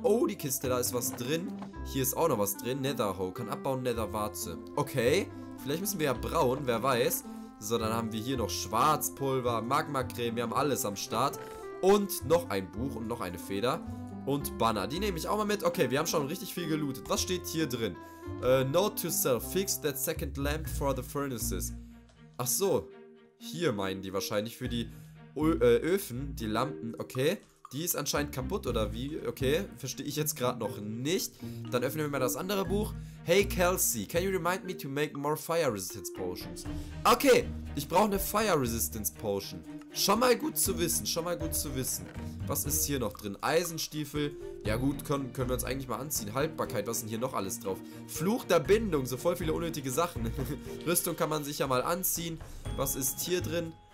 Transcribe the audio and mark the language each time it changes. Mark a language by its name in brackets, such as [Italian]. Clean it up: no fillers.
[German] Oh, die Kiste, da ist was drin. Hier ist auch noch was drin. Netherhoe, kann abbauen, Netherwarze. Okay, vielleicht müssen wir ja braun, wer weiß. So, dann haben wir hier noch Schwarzpulver, Magma-Creme, wir haben alles am Start. Und noch ein Buch und noch eine Feder. Und Banner, die nehme ich auch mal mit. Okay, wir haben schon richtig viel gelootet. Was steht hier drin? [English] Note to self, fix that second lamp for the furnaces. [German] Ach so, hier meinen die wahrscheinlich für die Öfen, die Lampen, okay. Die ist anscheinend kaputt, oder wie? Okay, verstehe ich jetzt gerade noch nicht. Dann öffnen wir mal das andere Buch. [English] Hey Kelsey, can you remind me to make more fire resistance potions? [German] Okay, ich brauche eine fire resistance potion. Schon mal gut zu wissen, schon mal gut zu wissen. Was ist hier noch drin? Eisenstiefel. Ja gut, können wir uns eigentlich mal anziehen. Haltbarkeit, was ist denn hier noch alles drauf? Fluch der Bindung, so voll viele unnötige Sachen. Rüstung kann man sich ja mal anziehen. Was ist hier drin?